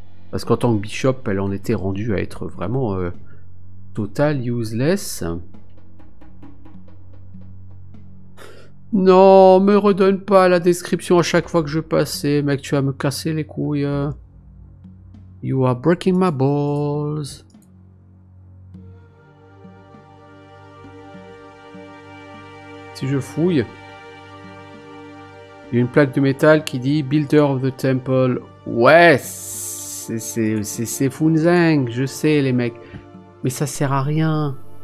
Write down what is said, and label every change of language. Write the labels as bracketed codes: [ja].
[fr] Parce qu'en tant que bishop, elle en était rendue à être vraiment [en] total useless. [fr] Non, me redonne pas la description à chaque fois que je passais, mec, tu vas me casser les couilles. [en] You are breaking my balls. [fr] Si je fouille, il y a une plaque de métal qui dit Builder of the Temple. Ouais, c'est Funzeng, je sais les mecs, mais ça sert à rien.